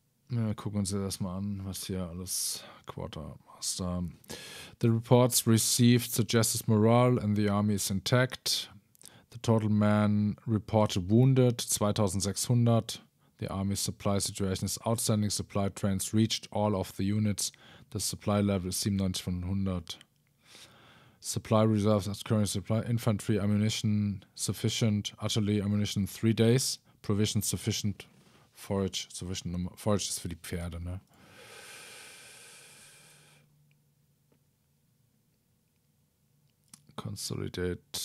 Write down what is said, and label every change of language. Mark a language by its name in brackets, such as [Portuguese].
[German] Ja, gucken wir uns das mal an, was hier alles Quartermaster. [English] The reports received suggests morale and the army is intact. The total man reported wounded, 2600. The army supply situation is outstanding. Supply trains reached all of the units. The supply level is 97 von 100. Supply reserves as current supply. Infantry ammunition sufficient. Artillery ammunition 3 days. Provisions sufficient. Forage sufficient. [German] Forage ist für die Pferde, ne? [English] Consolidate.